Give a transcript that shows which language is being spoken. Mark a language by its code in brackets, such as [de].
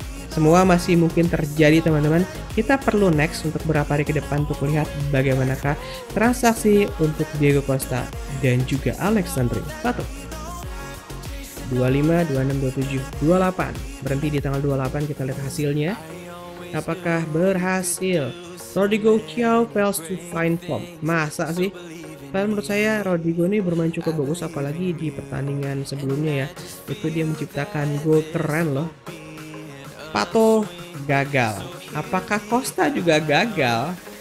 [id] Semua masih mungkin terjadi teman-teman. Kita perlu next untuk beberapa hari ke depan untuk lihat bagaimanakah transaksi untuk Diego Costa dan juga Alexander Pato. 25, 26, 27, 28. Berhenti di tanggal 28, kita lihat hasilnya. Apakah berhasil? [en] Rodrigo Chiao fails to find form. [id] Masa sih? Padahal menurut saya Rodrigo ini bermain cukup bagus, apalagi di pertandingan sebelumnya ya. Itu dia menciptakan gol keren loh. Pato gagal. Apakah Costa juga gagal?